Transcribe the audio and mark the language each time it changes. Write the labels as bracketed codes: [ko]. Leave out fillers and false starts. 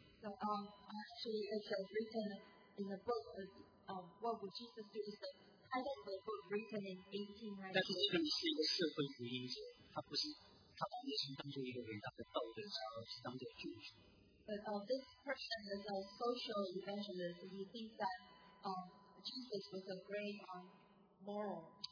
[en] So actually it's written in a book of What would Jesus do? Is the title of a book written in 1896. [zh] 但是这个是一个社会福音者，他不是他把耶稣当作一个伟大的道德家，而是当作救主。 [en] But this person is a social evangelist. He thinks that Jesus was a great moral.